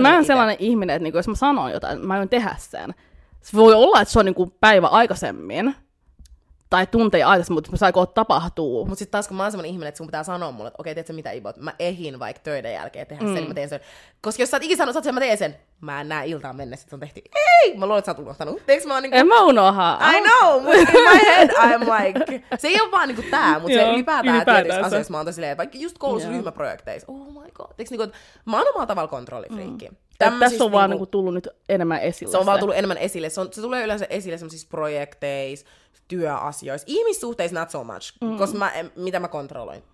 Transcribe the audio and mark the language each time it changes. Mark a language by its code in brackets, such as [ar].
[fi] Koska mä en sellainen ihminen, että niinku, jos mä sanon jotain, että mä voin tehdä sen. Se voi olla, että se on niinku päivä aikaisemmin. Tai tunteja aikaisemmin, mutta mä saan koko tapahtuu. Mutta sitten taas, kun mä oon semmonen ihminen, että sun pitää sanoa mulle, että okei, teetkö mitä, Ibo, mä ehin vaikka töiden jälkeen tehdä sen, niin mä teen sen. Koska jos sä oot ikinä sanonut, että mä teen sen, mä en näe iltaan mennessä, että se on tehty. Ei! Mä luulen, että sä oot unohtanut. Teekö mä oon niinku... En mä unoha. [en] I know, but in my head I'm like... [fi] Se ei ole vaan niinku tää, mutta se ylipäätään tietyissä asioissa mä oon silleen, vaikka just koulussa ryhmäprojekteissa. [en] Oh my god. [fi] Teekö niinku, että mä oon omalla tavalla kontrollifriikki. Tässä on vaan niinku tullut nyt enemmän esille. Se on vaan tullut enemmän esille. Se tulee yleensä esille semmoisissa projekteissa, työasioissa, ihmissuhteissa [en] not so much, [fi] koska mitä mä kontrolloin.